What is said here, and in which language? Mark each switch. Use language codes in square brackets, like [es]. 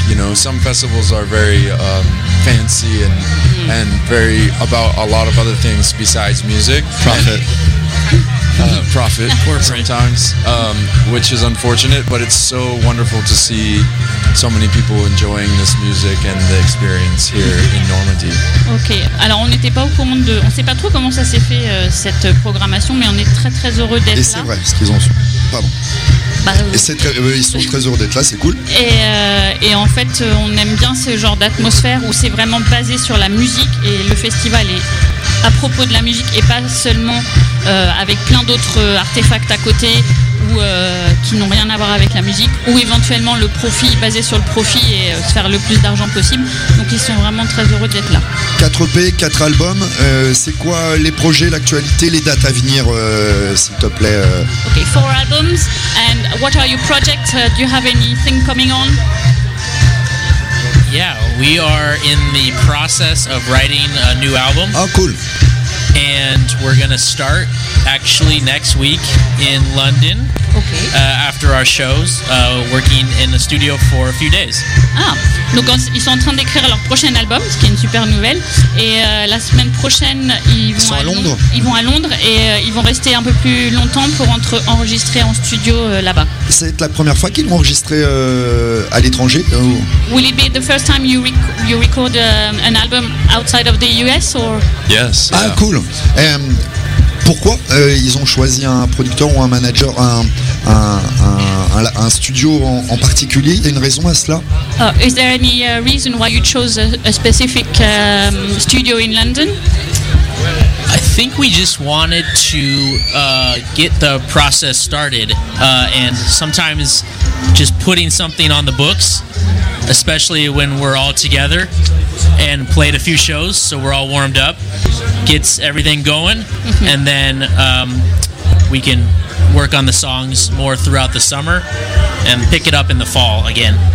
[en] You know, some festivals are very fancy and very about a lot of other things besides music. Profit. Profit sometimes, which is unfortunate, but it's so wonderful to see so many people enjoying this music and the experience here in Normandy. [fr] Ok, alors on n'était pas au courant de... On ne sait pas trop comment ça s'est fait, cette programmation, mais on est très très heureux d'être là. Et c'est vrai, ce qu'ils ont... Pardon. Ils sont très heureux d'être là, c'est cool. Et en fait, on aime bien ce genre d'atmosphère où c'est vraiment basé sur la musique, et le festival est... à propos de la musique et pas seulement avec plein d'autres artefacts à côté ou qui n'ont rien à voir avec la musique, ou éventuellement le profit, basé sur le profit et se faire le plus d'argent possible. Donc ils sont vraiment très heureux d'être là. 4 EP, 4 albums, c'est quoi les projets, l'actualité, les dates à venir, s'il te plaît? [en] Ok, 4 albums, and what are your projects? Do you have anything coming on? Yeah, we are in the process of writing a new album. Oh, cool. And we're going to start actually next week in London. Okay. After our shows, working in the studio for a few days. [fr] Ah, donc ils sont en train d'écrire leur prochain album, ce qui est une super nouvelle. Et la semaine prochaine, ils vont à Londres et ils vont rester un peu plus longtemps pour enregistrer en studio là-bas. C'est la première fois qu'ils vont enregistrer à l'étranger ou... [en] Will it be the first time you record an album outside of the US or... Yes. Ah, yeah. Cool. [fr] Pourquoi ils ont choisi un producteur ou un manager, un studio en particulier? Il y a une raison à cela? [en] Is there any reason why you chose a specific studio in London? I think we just wanted to get the process started, and sometimes just putting something on the books, especially when we're all together and played a few shows, so we're all warmed up, gets everything going, and then we can work on the songs more throughout the summer and pick it up in the fall again.